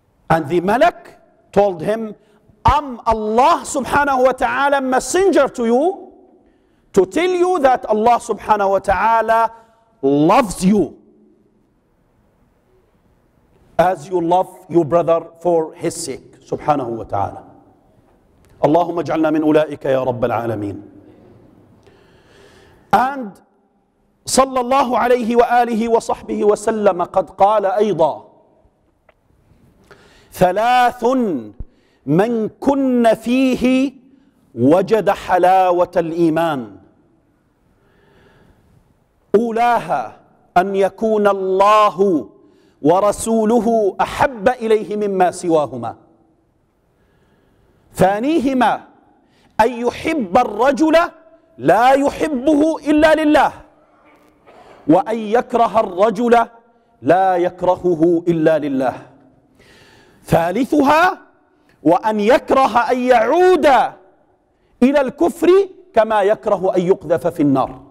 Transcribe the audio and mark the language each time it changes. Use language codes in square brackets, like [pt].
[en] And the malak told him, I'm Allah subhanahu wa ta'ala messenger to you to tell you that Allah subhanahu wa ta'ala loves you as you love your brother for his sake subhanahu wa ta'ala. [ar] Allahumma ij'alna min ulaika ya rabbal alameen. And صلى الله عليه وآله وصحبه وسلم قد قال أيضا ثلاث من كن فيه وجد حلاوة الإيمان أولاها أن يكون الله ورسوله أحب إليه مما سواهما ثانيهما أن يحب الرجل لا يحبه إلا لله وَأَنْ يَكْرَهَ الرَّجُلَ لَا يَكْرَهُهُ إِلَّا لِلَّهِ ثالثها وَأَنْ يَكْرَهَ أَنْ يَعُودَ إِلَى الْكُفْرِ كَمَا يَكْرَهُ أَنْ يُقْذَفَ فِي النَّارِ